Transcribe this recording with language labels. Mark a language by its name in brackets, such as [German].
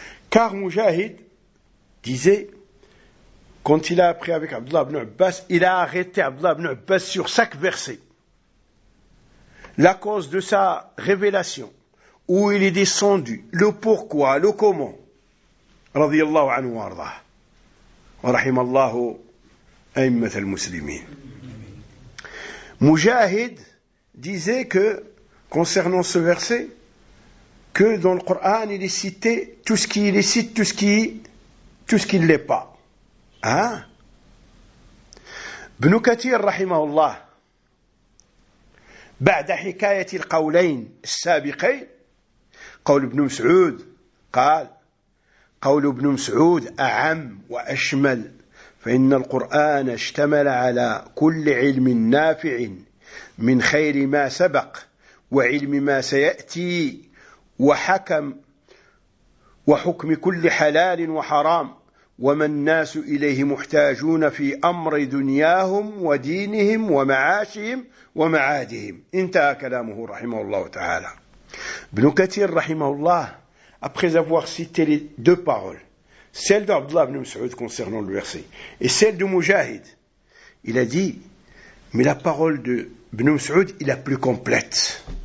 [French] Car Mujahid disait, quand il a appris avec Abdullah ibn Abbas, il a arrêté Abdullah ibn Abbas sur chaque verset. La cause de sa révélation, où il est descendu, le pourquoi, le comment. [Arabic] رضي الله عنه وارضاه ورحم الله أئمة المسلمين. [French] مجاهد disait que concernant ce verset que dans le Coran il est cité tout ce qui est licite, tout ce qui ne l'est pas. Hein? [Arabic] ابن كثير رحمه الله بعد حكاية القولين السابقين قول ابن مسعود قال قول ابن مسعود أعم وأشمل، فإن القرآن اشتمل على كل علم نافع من خير ما سبق وعلم ما سيأتي وحكم وحكم كل حلال وحرام، وما الناس إليه محتاجون في أمر دنياهم ودينهم ومعاشهم ومعادهم. انتهى كلامه رحمه الله تعالى. ابن كثير رحمه الله [French] après avoir cité les deux paroles, celle d'Abdullah ibn Mas'ud concernant le verset et celle de Mujahid, il a dit, mais la parole de ibn Mas'ud est la plus complète.